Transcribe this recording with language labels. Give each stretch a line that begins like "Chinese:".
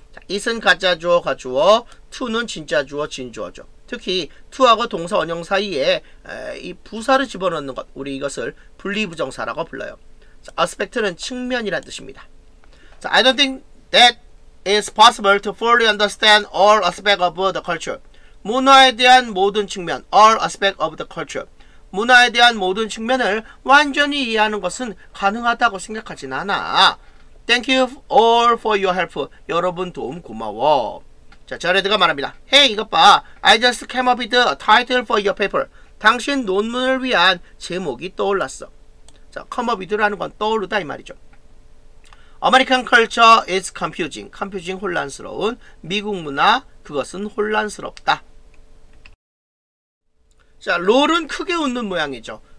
Korean: 자, is은 가짜 주어, 가주어, to는 진짜 주어, 진주어죠. 특히 to하고 동사 원형 사이에 이 부사를 집어넣는 것, 우리 이것을 분리부정사라고 불러요. 자, aspect는 측면이란 뜻입니다.
English: 자, I don't think that is possible to fully understand all aspects of the culture.
Korean: 문화에 대한 모든 측면,
English: all aspects of the culture.
Korean: 문화에 대한 모든 측면을 완전히 이해하는 것은 가능하다고 생각하진 않아.
English: Thank you all for your help.
Korean: 여러분 도움 고마워. 자, 자레드가 말합니다.
English: Hey,
Korean: 이것 봐.
English: I just came up with a title for your paper.
Korean: 당신 논문을 위한 제목이 떠올랐어. 자, come up with라는 건 떠오르다 이 말이죠.
English: American culture is confusing.
Korean: Confusing, 혼란스러운. 미국 문화, 그것은 혼란스럽다. 자, 롤은 크게 웃는 모양이죠.